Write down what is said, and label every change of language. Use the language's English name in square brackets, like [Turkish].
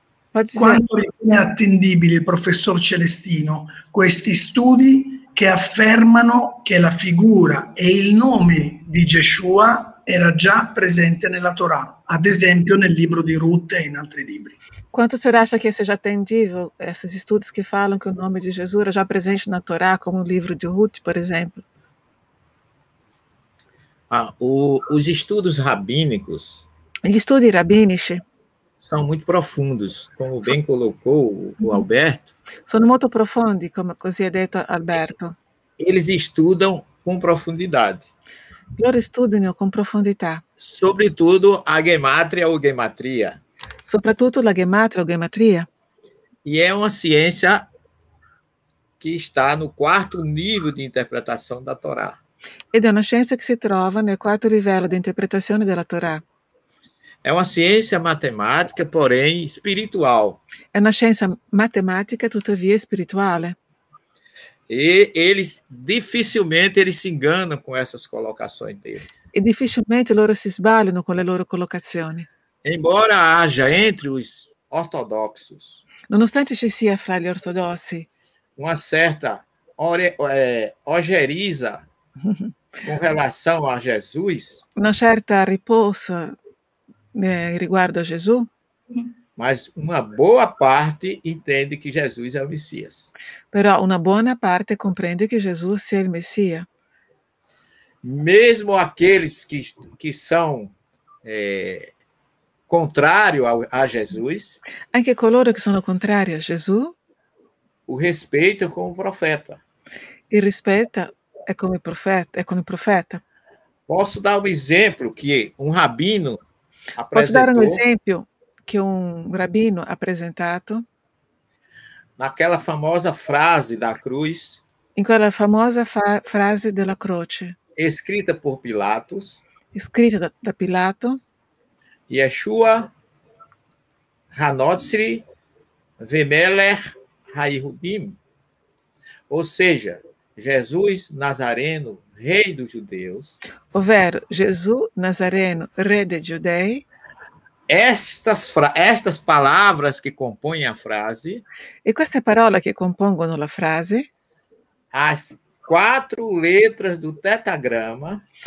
[Italian] Quanto ritiene attendibili il professor Celestino questi studi che affermano che la figura e il nome di Yeshua era già presente nella Torah, ad esempio nel libro di Ruth e in altri libri. [Portuguese] Quanto o senhor acha que seja atendível esses estudos que falam que o nome de Jesus era já presente na Torá, como o livro de Ruth, por exemplo? Os estudos rabínicos... Estudos rabínicos? São muito profundos, como bem colocou o Alberto. São muito profundos, como [Italian] così ha detto [Portuguese] Alberto. Eles estudam com profundidade. [Italian] Loro studiano con profondità. [Portuguese] Sobretudo a gematria o gematria. [Italian] Soprattutto la gematria o gematria. E è una scienza che sta nel quarto livello di interpretazione della Torah. Ed è una scienza che si trova nel quarto livello di interpretazione della Torah. È una scienza matematica, [Portuguese] porém [Italian] spirituale. È una scienza matematica, tuttavia spirituale. [Portuguese] E eles dificilmente eles se enganam com essas colocações deles. [Italian] E dificilmente loro si sbagliano con le loro collocazioni. [Portuguese] Embora haja entre os ortodoxos. [Italian] Nonostante ci sia fra gli ortodossi. [Portuguese] Uma certa ojeriza com relação a Jesus. [Italian] Una certa riposa riguardo a Gesù. [Portuguese] Mas uma boa parte entende que Jesus é o Messias. [Italian] Però una buona parte comprende che Gesù sia il Messia. [Portuguese] mesmo aqueles que são contrários a Jesus, [Italian] anche coloro che sono contrari a Gesù, [Portuguese] o respeito como profeta. E respeita é como profeta, Posso dar um exemplo que um rabino apresentou? Posso dar um exemplo que um rabino apresentado? Naquela famosa frase da cruz. [Italian] In quella famosa frase della croce. [Portuguese] Escrita por Pilatos. Escrita da Pilato. [Hebrew] Yeshua Hanotsri Vemeler Haihudim. [Portuguese] Ou seja, Jesus Nazareno, rei dos judeus. [Italian] Ovvero, Gesù Nazareno, re dei giudei. [Portuguese] Estas palavras que compõem a frase. [Italian] E queste parole che compongono la frase. [Portuguese] As quatro letras do tetragrama.